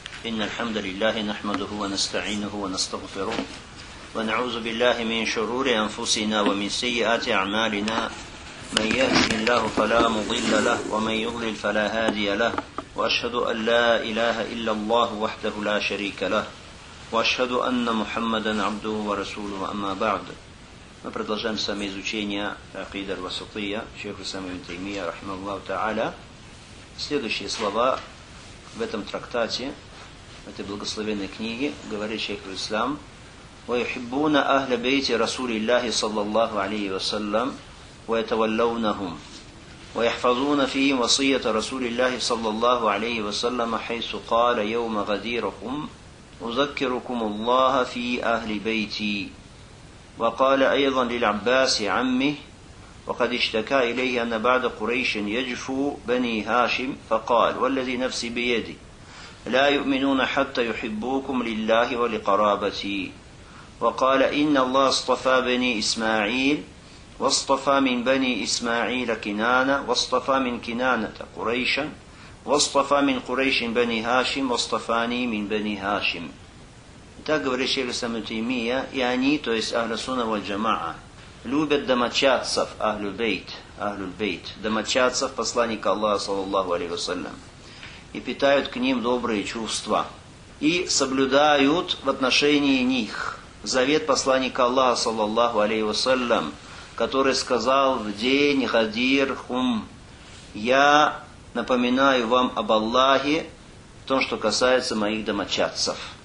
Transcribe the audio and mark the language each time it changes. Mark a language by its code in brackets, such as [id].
[ar] إن الحمد لله نحمده ونستعينه ونستغفره ونعوذ بالله من شرور أنفسنا ومن سيئات أعمالنا، من يهده الله فلا مضل له ومن يضلل فلا هادي له، وأشهد أن لا إله إلا الله وحده لا شريك له، وأشهد أن محمدا عبده ورسوله. أما بعد، [ru] продолжаем сами изучение Акида аль-Васатия, шейх Исама ибн Таймия, рахмаллаху та'аля. Следующие слова в этом трактате, в этой благословенной книге, говорит шейх Ислам: [ar] «Ваюхиббуна ахля бейти Расулиллахи саллаллаху алейхи вассалям, ваятаваллаунахум, ваяхфазуна фиим васията Расулиллахи саллаллаху алейхи вассалям, хайсу кала яума гадирахум, узаккирукум Аллаха фи ахли бейти». وقال أيضا للعباس عمه وقد اشتكى إليه أن بعد قريش يجفو بني هاشم، فقال: والذي نفسي بيدي لا يؤمنون حتى يحبوكم لله ولقرابتي. وقال: إن الله اصطفى بني إسماعيل، واصطفى من بني إسماعيل كنانة، واصطفى من كنانة قريشا، واصطفى من قريش بني هاشم، واصطفاني من بني هاشم. [ru] Так говорит шейх Ислам ибн Таймия, и они, то есть Ахля Сунна валь Джамаа, любят домочадцев Ахлюль Бейт, домочадцев посланника Аллаха, саллаллаху алейхи вассалям, и питают к ним добрые чувства, и соблюдают в отношении них завет посланника Аллаха, саллаллаху алейхи вассалям, который сказал в день Хадир Хум: «Я напоминаю вам об Аллахе в том, что касается моих домочадцев».